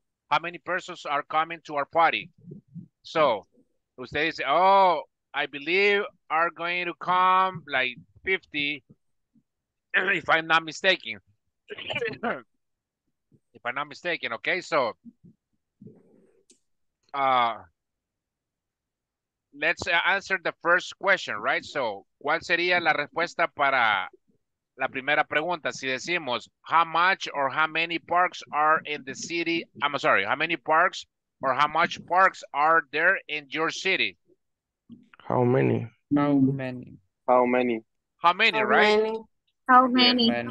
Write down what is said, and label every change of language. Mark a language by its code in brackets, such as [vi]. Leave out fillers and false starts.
[en] How many persons are coming to our party? So, usted dice, oh, I believe are going to come like 50, if I'm not mistaken. If I'm not mistaken, okay, so let's answer the first question, right? [es] So, ¿cuál sería la respuesta para la primera pregunta? Si decimos, [en] how many parks are there in your city? How many, right? How many?